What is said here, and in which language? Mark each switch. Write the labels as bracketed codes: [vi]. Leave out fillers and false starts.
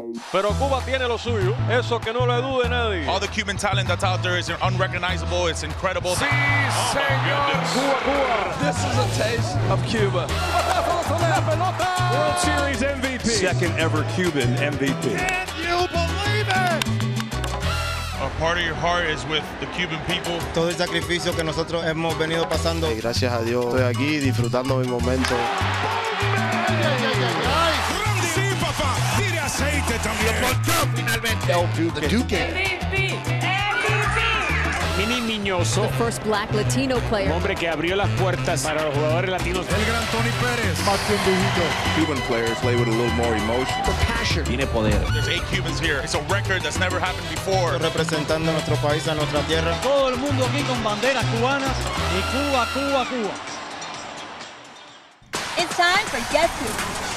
[es] Pero Cuba tiene lo suyo, eso que no lo dude nadie. [en] All the Cuban talent that's out there is unrecognizable, it's incredible. [es] Sí, señor, Cuba, Cuba. [en] This is a taste of Cuba. World Series MVP. Second ever Cuban MVP. Can't you believe it? A part of your heart is with the Cuban people. [es] Todo el sacrificio que nosotros hemos venido pasando. Y gracias a Dios, estoy aquí disfrutando mi momento. [en] The Duque. MVP. Mini Miñoso. The first black Latino player. [es] El hombre que abrió las puertas para los jugadores latinos. El gran Tony Pérez. Martin Dujito. [en] Cuban players play with a little more emotion. The passion. [es] Tiene poder. [en] There's eight Cubans here. It's a record that's never happened before. [es] Representando a nuestro país, a nuestra tierra. Todo el mundo aquí con banderas cubanas. Y Cuba, Cuba, Cuba. [en] It's time for Guess Who.